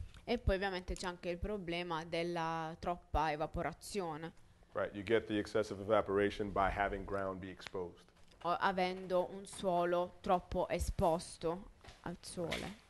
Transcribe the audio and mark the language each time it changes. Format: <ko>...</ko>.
<it>E poi ovviamente c'è anche il problema della troppa evaporazione.</it> <en>Right, you get the excessive evaporation by having ground be exposed.</en> <it>Avendo un suolo troppo esposto al sole.</it>